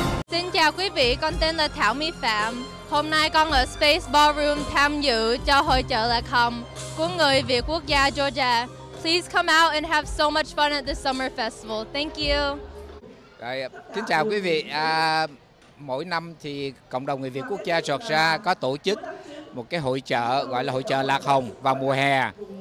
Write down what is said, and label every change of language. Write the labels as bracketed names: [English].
[Vietnamese] Xin chào quý vị, con tên là Thảo My Phạm. Hôm nay con ở Space Ballroom tham dự cho hội chợ Lacombe của người Việt quốc gia Georgia. [English] Please come out and have so much fun at the summer festival. Thank you. [Vietnamese] Rồi, kính chào quý vị. Mỗi năm thì cộng đồng người Việt quốc gia Georgia có tổ chức một cái hội chợ gọi là hội chợ Lạc Hồng vào mùa hè.